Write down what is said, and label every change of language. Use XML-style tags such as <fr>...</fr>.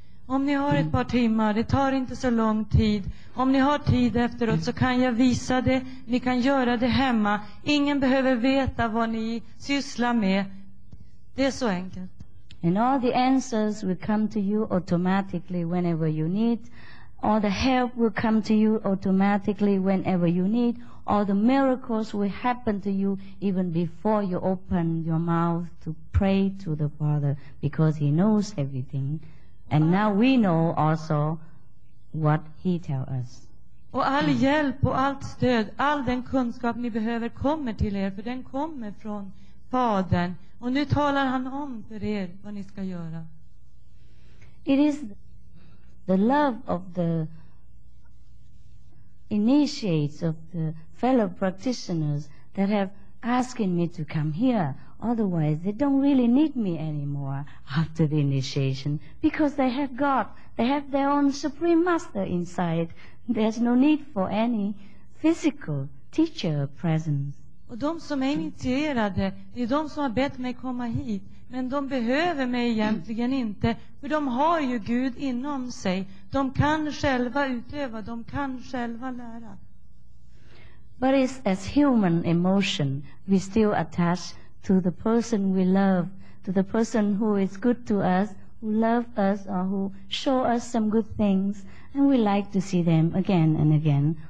<sv>Om ni har ett par timmar, det tar inte så lång tid. Om ni har tid efteråt så kan jag visa det. Ni kan göra det hemma. Ingen behöver veta vad ni sysslar med. Det är så enkelt.</sv> <en>And all the answers will come to you automatically whenever you need. All the help will come to you automatically whenever you need. All the miracles will happen to you even before you open your mouth to pray to the Father, because He knows everything. And now we know also what He tells us.</en> <sv>Och all hjälp och allt stöd, all den kunskap ni behöver kommer till er, för den kommer från Fadern. Och nu talar han om för er vad ni ska göra.</sv> <en>It is the love of the initiates, of the fellow practitioners that have asking me to come here. Otherwise, they don't really need me anymore after the initiation, because they have God, they have their own Supreme Master inside. There's no need for any physical teacher presence.</en> <sv>Och de som är initierade, det är de som har bett mig komma hit, men de behöver mig egentligen inte, för de har ju Gud inom sig. De kan själva utöva, de kan själva lära.</sv> <en>But it's as human emotion, we still attach to the person we love, to the person who is good to us, who love us, or who show us some good things, and we like to see them again and again.</en>